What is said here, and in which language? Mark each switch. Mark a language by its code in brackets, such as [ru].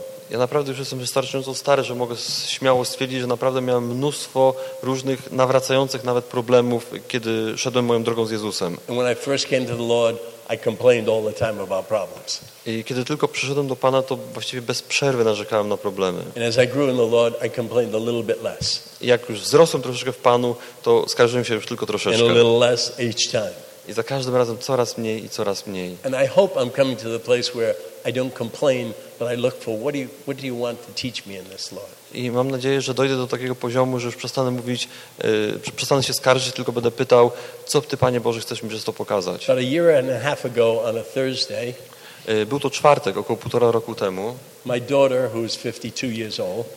[pl] Ja naprawdę już jestem wystarczająco stary, że mogę śmiało stwierdzić, że naprawdę miałem mnóstwo różnych nawracających nawet problemów, kiedy szedłem moją drogą z Jezusem. I kiedy pierwszy do [en] Lord, I complained all the time about problems. [pl] I kiedy tylko przyszedłem do Pana, to właściwie bez przerwy narzekałem na problemy. [en] And as I grew in the Lord, I complained a little bit less. [pl] I jak już wzrosłem troszeczkę w Panu, to skarżyłem się już tylko troszeczkę. [en] And a little less each time. [pl] I za każdym razem coraz mniej i coraz mniej. [en] And I hope I'm coming to the place where I don't complain, but I look for what do you want to teach me in this, Lord? [pl] I mam nadzieję, że dojdę do takiego poziomu, że już przestanę mówić, przestanę się skarżyć, tylko będę pytał, co Ty, Panie Boże, chcesz mi przez to pokazać. [en] About a year and a half ago on a Thursday. [pl] Był to czwartek, około półtora roku temu. [en] My daughter, who is 52 years old.